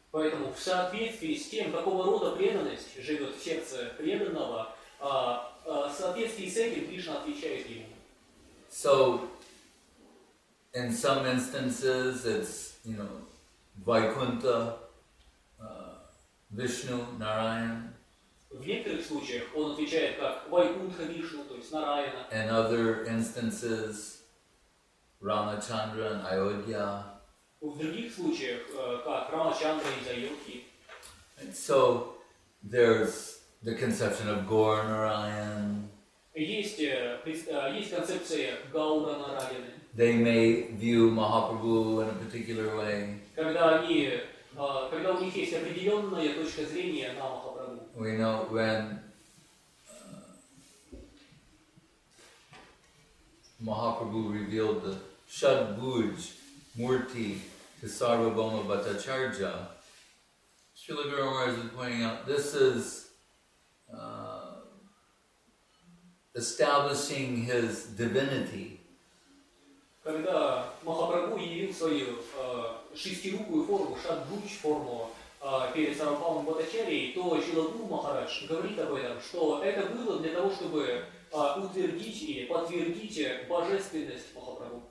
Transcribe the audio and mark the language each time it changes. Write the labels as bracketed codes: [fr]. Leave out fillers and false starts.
[ru] Поэтому в соответствии с тем, какого рода преданность живет в сердце преданного, в соответствии с этим Кришна отвечает ему. [en] So, in some instances, it's, you know, Vaikuntha, Vishnu, Narayan. [ru] В некоторых случаях он отвечает как Вайкунтха Вишну, то есть Нараяна. [en] In other instances, Рамачандра and Айодхья. [ru] В других случаях, как Рамачандра и Айодхья. [en] And so, there's the conception of Gaur Narayan. [ru] Есть концепция Гаура Нараяны. [en] They may view Mahaprabhu in a particular way. [ru] Когда у них есть определенная точка зрения на Махапрабху. [en] We know when Mahaprabhu revealed the Shadbhuj Murti to Sarvabhauma Bhattacharya, Srila Guru Maharaj is pointing out this is establishing his divinity. [ru] Когда Махапрабху явил свою шестирукую форму, Шадбудж форму перед Сарвабхаумом Бхаттачарьей, то Шрила Гуру Махарадж говорит об этом, что это было для того, чтобы утвердить или подтвердить божественность Махапрабху.